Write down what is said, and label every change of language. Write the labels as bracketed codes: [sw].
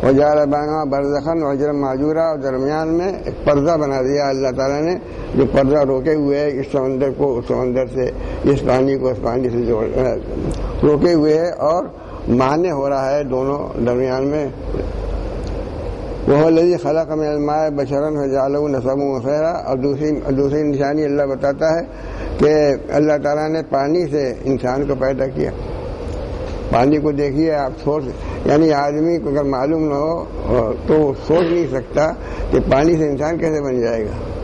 [ur] وہ جال بنا برزخن وجر ماجورا، اور درمیان میں ایک پردہ بنا دیا اللہ تعالیٰ نے، جو پردہ روکے ہوئے ہے اس سمندر کو اس سمندر سے، اس پانی کو اس پانی سے روکے ہوئے ہے، اور معنی ہو رہا ہے دونوں درمیان میں. [ar] وہ الذی خلق من الماء بشرا فجعله نسبا وصهرا. [ur] اور دوسری نشانی اللہ بتاتا ہے کہ اللہ تعالیٰ نے پانی سے انسان کو پیدا کیا. پانی کو دیکھیے آپ سوچ، یعنی آدمی کو اگر معلوم نہ ہو تو سوچ نہیں سکتا کہ پانی سے انسان کیسے بن جائے گا.